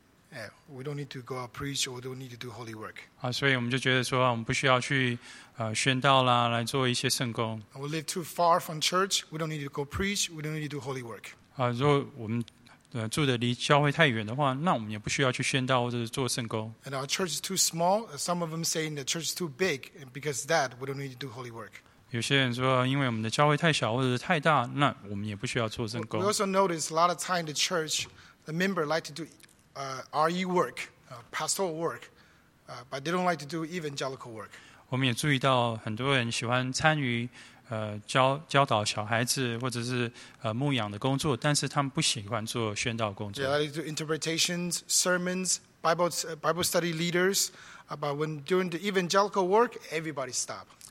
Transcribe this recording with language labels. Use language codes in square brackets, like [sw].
[en] Yeah, we don't need to go out preach or don't need to do holy work. [zh] 所以我们就觉得说我们不需要去宣道啦，来做一些圣工。 [en] We live too far from church. We don't need to go preach. We don't need to do holy work. [zh] 如果我们住的离教会太远的话，那我们也不需要去宣道或者做圣工。 [en] And our church is too small. Some of them say the church is too big, and because of that, we don't need to do holy work. [zh] 有些人说，因为我们的教会太小或者是太大，那我们也不需要做圣工。 [en] We also notice a lot of time the church, the member like to do. RE work, pastoral work, but they don't like to do evangelical work. [zh] 我们也注意到很多人喜欢参与教导小孩子或者是牧养的工作，但是他们不喜欢做宣道工作。 [en] Yeah, they do interpretations, sermons, Bible study leaders, but when doing the evangelical work, everybody stop.